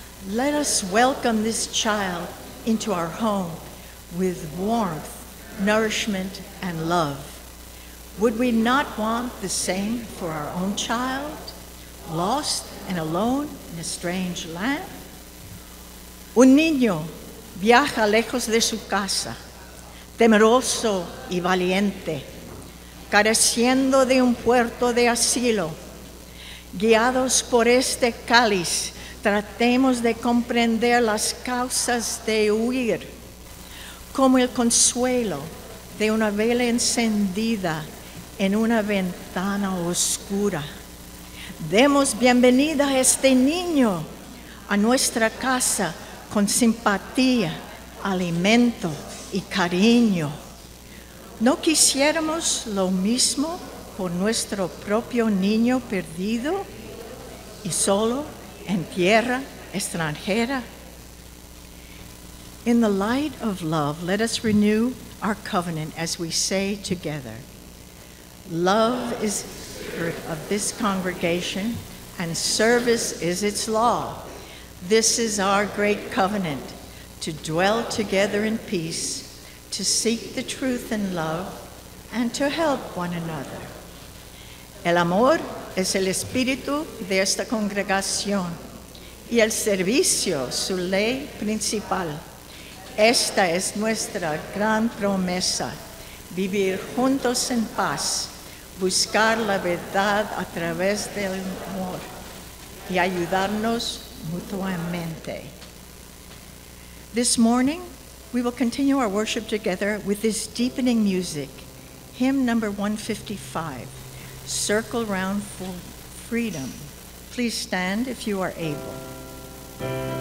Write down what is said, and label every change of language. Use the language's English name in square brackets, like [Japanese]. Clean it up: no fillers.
[English] Let us welcome this child into our home with warmth, nourishment, and love. Would we not want the same for our own child, lost and alone in a strange land? [Spanish] Un niño viaja lejos de su casa, temeroso y valiente, careciendo de un puerto de asilo. Guiados por este cáliz, tratemos de comprender las causas de huir, como el consuelo de una vela encendida en una ventana oscura. Demos bienvenida a este niño a nuestra casa con simpatía, alimento y cariño. ¿No quisiéramos lo mismo por nuestro propio niño perdido y solo en tierra extranjera? [English] In the light of love, let us renew our covenant as we say together. Love is the spirit of this congregation, and service is its law. This is our great covenant, to dwell together in peace, to seek the truth in love, and to help one another. [Spanish] El amor es el espíritu de esta congregación, y el servicio su ley principal. Esta es nuestra gran promesa, vivir juntos en paz, buscar la verdad a través del amor y ayudarnos mutuamente. [English] This morning, we will continue our worship together with this deepening music, hymn number 155, Circle Round for Freedom. Please stand if you are able.